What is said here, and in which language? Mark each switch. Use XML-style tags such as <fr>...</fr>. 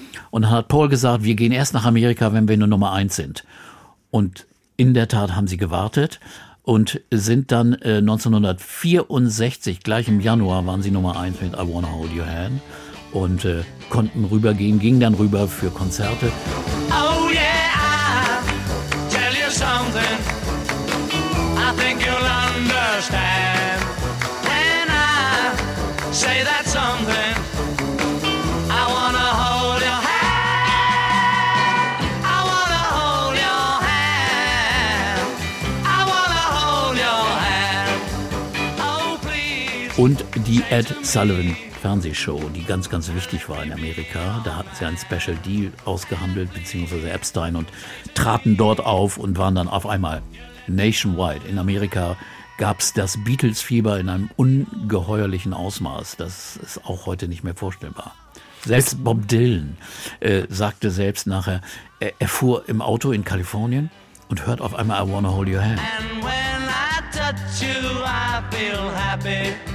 <de>Und dann hat Paul gesagt, wir gehen erst nach Amerika, wenn wir nur Nummer eins sind. Und in der Tat haben sie gewartet und sind dann 1964, gleich im Januar, waren sie Nummer eins mit I Wanna Hold Your Hand. Und konnten rübergehen, gingen dann rüber für Konzerte.</de> <en>Oh yeah, I'll tell you something. I think you'll understand. When I say that something, I wanna hold your hand. I wanna hold your hand. I wanna hold your hand. Oh please.</en> <de>Und die Ed Sullivan Fernsehshow, die ganz, ganz wichtig war in Amerika. Da hatten sie einen Special Deal ausgehandelt, beziehungsweise Epstein, und traten dort auf und waren dann auf einmal nationwide. In Amerika gab es das Beatles-Fieber in einem ungeheuerlichen Ausmaß. Das ist auch heute nicht mehr vorstellbar. Selbst Bob Dylan sagte selbst nachher, er fuhr im Auto in Kalifornien und hört auf einmal I Wanna Hold Your Hand.</de> <en>And when I touch you, I feel happy.</en>